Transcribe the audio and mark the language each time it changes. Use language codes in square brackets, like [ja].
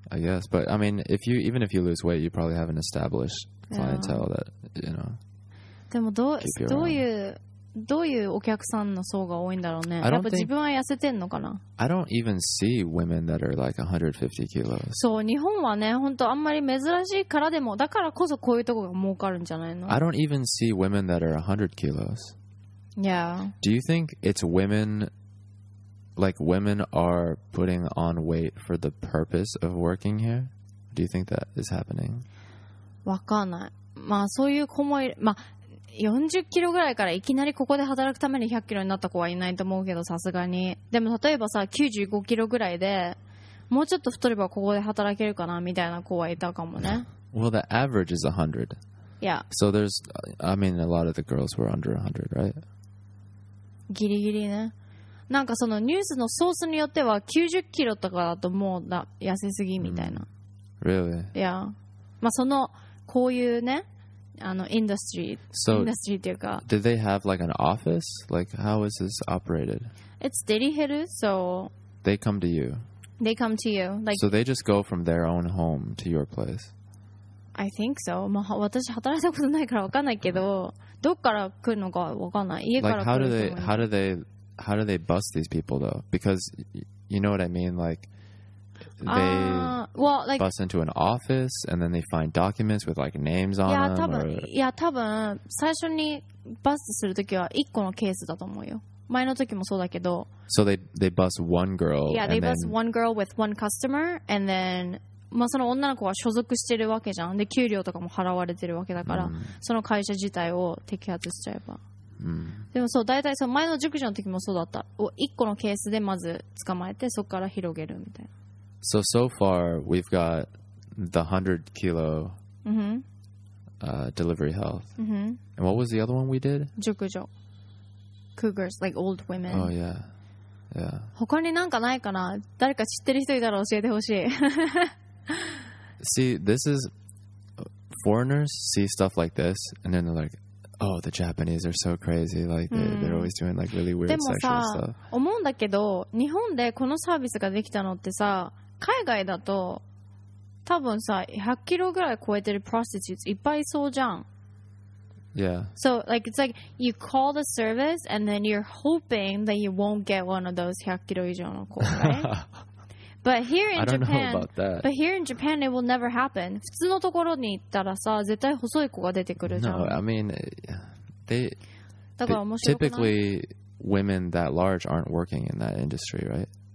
[en] I guess, but I mean, if you lose weight, you probably have an established clientele that you know. [ja] でもどういうお客さんの層が多いんだろうね。やっぱ自分は痩せてんのかな。 [en] I don't even see women that are like 150 kilos. [ja] そう、日本はね、本当あんまり珍しいからでも、だからこそこういうとこが儲かるんじゃないの。 [en] I don't even see women that are 100 kilos. Yeah. Do you think it's women, like women are putting on weight for the purpose of working here? Do you think that is happening? [ja] わかんない。まあそういう子もいる、まあ40キロぐらいからいきなりここで働くために100キロになった子はいないと思うけど、さすがに。でも例えばさ95キロぐらいでもうちょっと太ればここで働けるかなみたいな子はいたかもね。 [en] Well, the average is 100. Yeah. So there's, I mean, a lot of the girls were under 100, right? [ja] ギリギリね。なんかそのニュースのソースによっては90キロとかだともう痩せすぎみたいな、 [en] Really? Yeah. [ja] まあそのこういうね、あのインダストリー、 [en] so, [ja] インダストリーっていうか、 [en] did they have like an office? Like how is this operated? It's Derihiru, so they come to you. They come to you, like so they just go from their own home to your place. I think so. [ja] まあ私働いたことないからわかんないけど、どっから来るのかわかんない。家から来る。 [en] Like how do they bust these people though? Because you know what I mean, like. They bust into an office and then they find documents with like names on them. [ja] Yeah, 多分最初にバスするときは1個のケースだと思うよ。前のときもそうだけど。 [en] So they bust one girl. Yeah, they bust then... one girl with one customer and then、 [ja] まあ、その女の子は所属してるわけじゃん。で、給料とかも払われてるわけだから、mm. その会社自体を摘発しちゃえば。 [en] Mm. [ja] でもそう、大体その前の熟女のときもそうだった。1個のケースでまず捕まえてそこから広げるみたいな。 [en] So far we've got the 100 kilo、 mm-hmm. Delivery health、 mm-hmm. And what was the other one we did? 熟女 Cougars, like old women. Oh yeah, yeah. [ja] 他になんかないかな、誰か知ってる人いたら教えてほしい。 [en] see, this is, foreigners see stuff like this, and then they're like, oh, the Japanese are so crazy. Like, they're always doing like really weird sexual stuff. [ja] 思うんだけど、日本でこのサービスができたのってさ、海外だと多分さ、100キロぐらい超えてる prostitutes いっぱいそうじゃん。 [en] Yeah. So, like, it's like you call the service and then you're hoping that you won't get one of those 100 kilo [ja] 以上の子, [en] right? But here in Japan, but here in Japan, it will never happen. [ja] 普通のところに行ったらさ、絶対細い子が出てくるじゃん。 [en] No, I mean, they typically women that large aren't working in that industry, right?